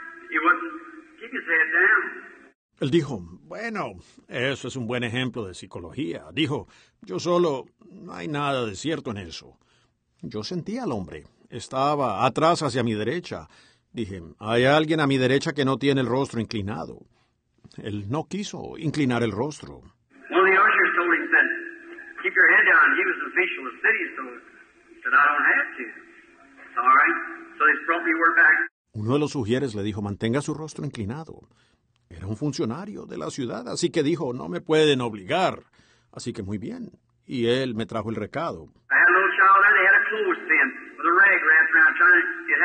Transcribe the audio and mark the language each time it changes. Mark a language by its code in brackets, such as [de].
[en] He wasn't, keep his head down. [es] Él dijo, bueno, eso es un buen ejemplo de psicología. Dijo, yo solo, no hay nada de cierto en eso. Yo sentía al hombre. Estaba atrás hacia mi derecha. Dije, hay alguien a mi derecha que no tiene el rostro inclinado. Él no quiso inclinar el rostro. [en] Well, the usher told him, said, keep your head down. He was an official of the city, so he said, I don't have to. It's all right. So he brought me word back. [es] Uno de los sugieres le dijo, mantenga su rostro inclinado. Era un funcionario de la ciudad, así que dijo, no me pueden obligar. Así que muy bien. Y él me trajo el recado. [en] I had a little child there. They had a clothes pin with a rag wrapped around trying to...